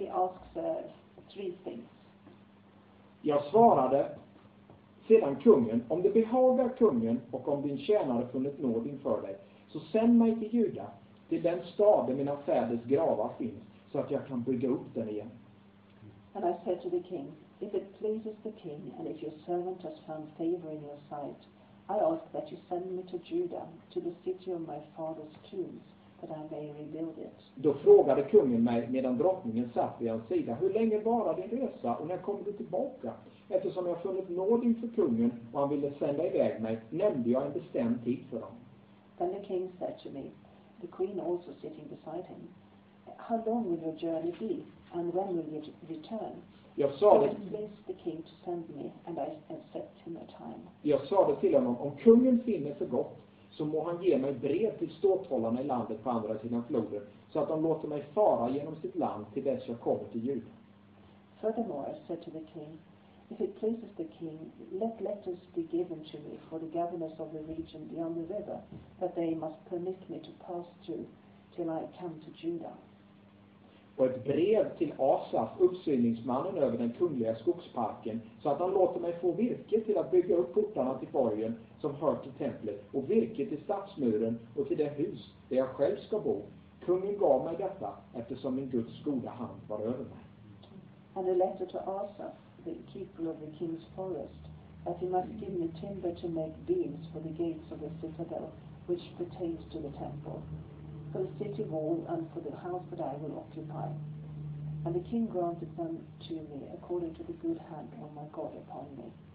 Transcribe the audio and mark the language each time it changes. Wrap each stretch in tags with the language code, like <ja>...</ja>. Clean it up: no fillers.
<en>He asks three things.</en> <sv>Jag svarade sedan kungen, om det behagar kungen och om din tjänare funnit nåd inför dig, så sänd mig till Juda, till den stad där mina fäders gravar finns, så att jag kan bygga upp den igen.</sv> <en>And I said to the king, if it pleases the king, and if your servant has found favor in your sight, I ask that you send me to Judah, to the city of my father's tombs, that I may rebuild it.</en> <sv>Då frågade kungen mig, medan drottningen satt vid hans sida, hur länge varar din resa och när kommer du tillbaka? Eftersom jag funnit nåd inför kungen och han ville sända iväg mig, nämnde jag en bestämd tid för dem.</sv> <en>Then the king said to me, the queen also sitting beside him, how long will your journey be, and when will you return?</en> <sv>Jag sa det.</sv> <en>So he asked the king to send me, and I set him a time.</en> <sv>Jag sa det till honom, om kungen finner för gott, så må han ge mig brev till ståthållarna i landet på andra sidan floden, så att de låter mig fara genom sitt land till dess jag kommer till Juda.</sv> <en>Furthermore, I said to the king, if it pleases the king, let letters be given to me for the governors of the region beyond the river, that they must permit me to pass through till I come to Judah.</en> <sv>Och ett brev till Asaf, uppsyningsmannen över den kungliga skogsparken, så att han låter mig få virke till att bygga upp portarna till borgen som hör till templet, och virke till stadsmuren och till det hus där jag själv ska bo. Kungen gav mig detta eftersom min Guds goda hand var över mig.</sv> <en>And a letter to Asaf, the keeper of the king's forest, that he must give me timber to make beams for the gates of the citadel, which pertains to the temple, for the city wall, and for the house that I will occupy. And the king granted them to me according to the good hand of my God upon me.</en>